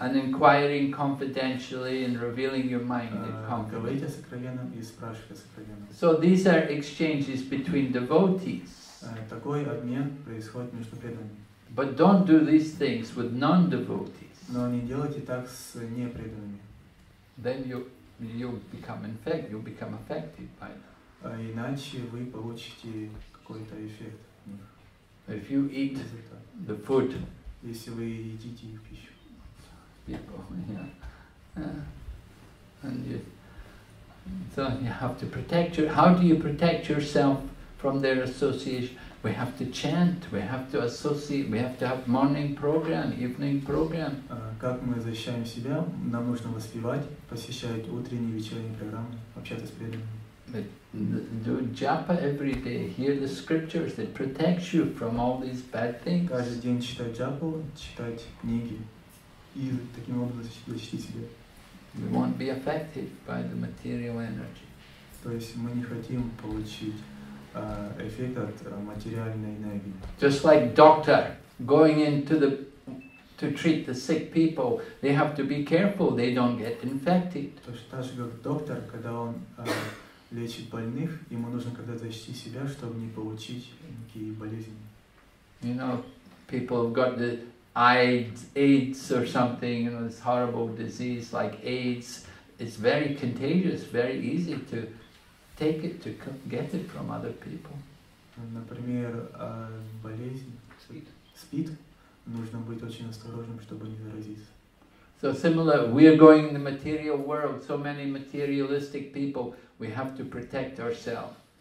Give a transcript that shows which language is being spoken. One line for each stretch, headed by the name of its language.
English: And inquiring confidentially and revealing your mind in confidence.
Russian: Говорить о сокровенном и спрашивать о сокровенном.
English: So these are exchanges between devotees.
Russian: Такой обмен происходит между преданными.
English: But don't do these things with non-devotees.
Russian: Но не делайте так с непреданными.
English: Then you become affected by them.
Russian: Иначе вы получите какой-то эффект.
English: If you eat the food,
Russian: если вы едите их пищу.
English: People, yeah. And you have to protect your. How do you protect yourself from their association? We have to chant. We have to associate. We have to have morning program, evening program.
Russian: Как мы защищаем себя? Нам нужно воспевать, посещать утренние, вечерние программы, общаться с преданными.
English: Do japa every day, hear the scriptures, it protects you from all these bad things.
Russian: Каждый день читать джапу, читать книги, и таким образом защитить себя.
English: We won't be affected by the material energy.
Russian: То есть мы не хотим получить эффект от материальной энергии.
English: Just like doctor going into the to treat the sick people, they have to be careful they don't get infected.
Russian: То есть так же, как доктор, когда он лечит больных, ему нужно когда-то защитить себя, чтобы не получить никакие болезни.
English: You know, people have got the AIDS or something, you know, this horrible disease like AIDS. It's very contagious, very easy to take it, to get it from other people.
Russian: Например, болезнь СПИД. Нужно быть очень осторожным, чтобы не заразиться.
English: So similar, we are going in the material world, so many materialistic people, we have to protect ourselves.